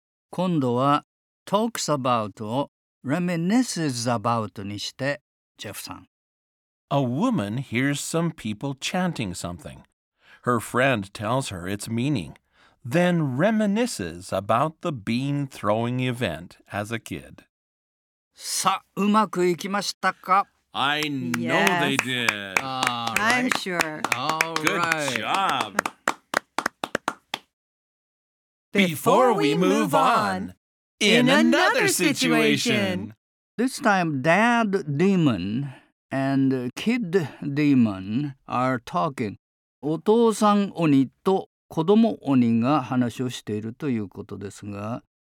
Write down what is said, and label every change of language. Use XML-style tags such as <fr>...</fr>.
<ja>今度は、</ja> <en>talks about</en> <ja>を</ja> <en>reminisces about</en> <ja>にして、ジェフさん。</ja> <en>A woman hears some people chanting something. Her friend tells her its meaning. Then reminisces about the bean throwing event as a kid.</en> <ja>さあ、うまくいきましたか?</ja> <en>I know they did. All right. I'm sure. All Good right. job. Before we move on, in another situation. This time, Dad Demon and Kid Demon are talking.</en> <ja>お父さん鬼と子供鬼が話をしているということですが、</ja>